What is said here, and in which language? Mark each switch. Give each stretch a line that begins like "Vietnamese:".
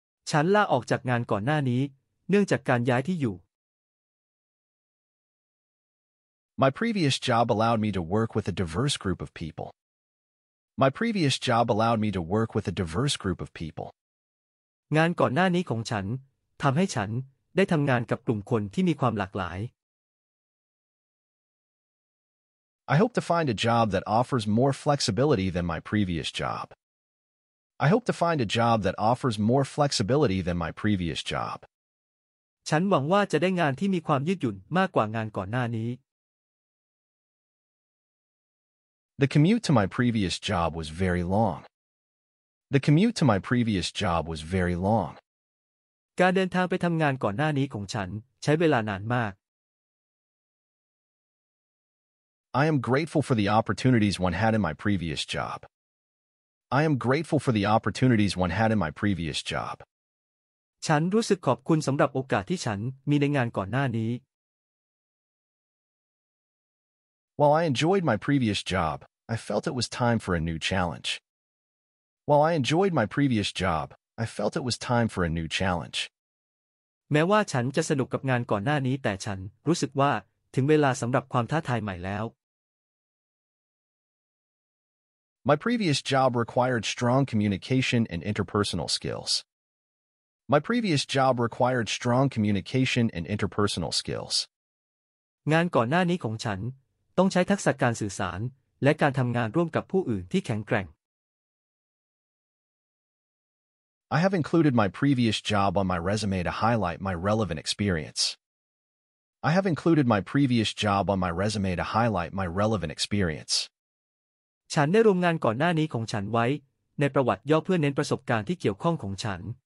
Thai: ฉันลาออกจากงานก่อนหน้านี้เนื่องจากการย้ายที่อยู่
English: My previous job allowed me to work with a diverse group of people. My previous job allowed me to work with a diverse group of people.
Thai: งานก่อนหน้านี้ของฉันทำให้ฉันได้ทำงานกับกลุ่มคนที่มีความหลากหลาย
English: I hope to find a job that offers more flexibility than my previous job. I hope to find a job that offers more flexibility than my previous job.
Thai: ฉันหวังว่าจะได้งานที่มีความยืดหยุ่นมากกว่างานก่อนหน้านี้
English: The commute to my previous job was very long. The commute to my previous job was very long.
Thai: การเดินทางไปทำงานก่อนหน้านี้ของฉันใช้เวลานานมาก
English: I am grateful for the opportunities one had in my previous job. I am grateful for the opportunities one had in my previous job.
Thai: ฉันรู้สึกขอบคุณสำหรับโอกาสที่ฉันมีในงานก่อนหน้านี้
English: While I enjoyed my previous job, I felt it was time for a new challenge. While I enjoyed my previous job, I felt it was time for a new challenge.
Thai: แม้ว่าฉันจะสนุกกับงานก่อนหน้านี้แต่ฉันรู้สึกว่าถึงเวลาสำหรับความท้าทายใหม่แล้ว
English: My previous job required strong communication and interpersonal skills. My previous job required strong communication and interpersonal skills.
Thai: งานก่อนหน้านี้ของฉันต้องใช้ทักษะการสื่อสารและการทำงานร่วมกับผู้อื่นที่แข็งแกร่ง
English: I have included my previous job on my resume to highlight my relevant experience. I have included my previous job on my resume to highlight my relevant experience.
Thai: ฉันได้รวมงานก่อนหน้านี้ของฉันไว้ในประวัติย่อเพื่อเน้นประสบการณ์ที่เกี่ยวข้องของฉัน